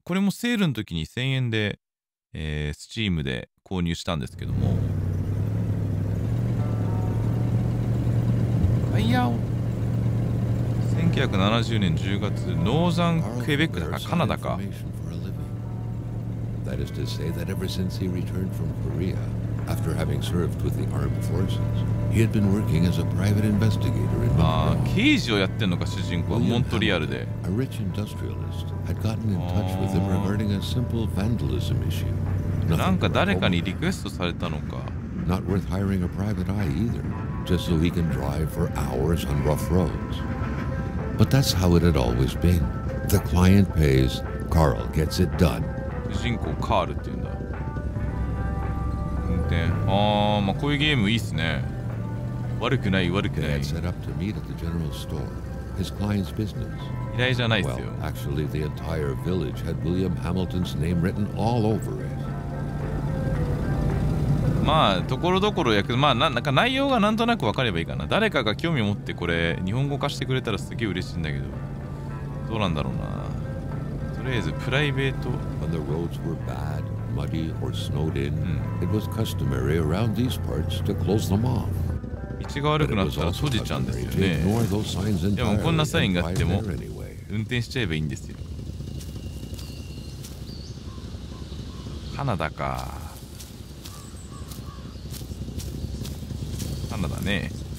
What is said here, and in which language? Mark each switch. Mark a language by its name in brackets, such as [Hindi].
[Japanese] これもセールの時に1000円で、スチームで購入したんですけども、ファイヤーを1970年10月ノーザンクエベックだかカナダか。 [English] That is to say that ever since he returned from Korea, after having served with the armed forces, he had been working as a private investigator in Montreal. [Japanese] 刑事をやってんのか、主人公は、モントリアルで。 [English] A rich industrialist had gotten in touch with him regarding a simple vandalism issue. [Japanese] なんか誰かにリクエストされたのか。 [English] Not worth hiring a private eye either, just so he can drive for hours on rough roads. But that's how it had always been. The client pays, Carl gets it done. [Japanese] 主人公カールって言うんだ。運転、あー、まあこういうゲームいいっすね。悪くない悪くない。依頼じゃないっすよ。 [English] Well, actually, the entire village had William Hamilton's name written all over it. [Japanese] まあところどころ訳、まあなんか内容がなんとなくわかればいいかな。誰かが興味を持ってこれ日本語化してくれたらすげえ嬉しいんだけど、どうなんだろうな。とりあえずプライベート。 [English] When the roads were bad, muddy, or snowed in, it was customary around these parts to close them off. [Japanese] 道が悪くなったら閉じちゃうんですよね。でもこんなサインがあっても運転しちゃえばいいんですよ。カナダか。カナダね。